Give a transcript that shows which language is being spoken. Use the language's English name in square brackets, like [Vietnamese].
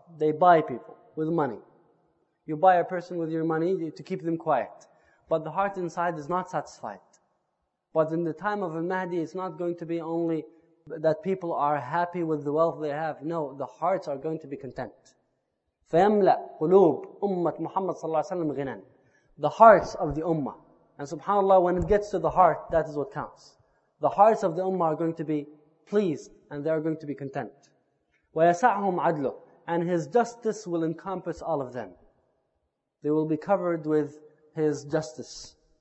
[English] They buy people with money. You buy a person with your money to keep them quiet. But the heart inside is not satisfied. But in the time of Al-Mahdi, it's not going to be only that people are happy with the wealth they have. No, the hearts are going to be content. [Arabic] فَيَمْلَأْ قُلُوبْ أُمَّةْ مُحَمَّدْ صَلَّى اللَّهُ عَلَيْهِ وَسَلَّمْ غِنًا [English] The hearts of the ummah. And subhanAllah, when it gets to the heart, that is what counts. The hearts of the ummah are going to be pleased and they are going to be content. [Arabic] وَيَسَعْهُمْ عَدْلُهُ [English] And his justice will encompass all of them. They will be covered with his justice.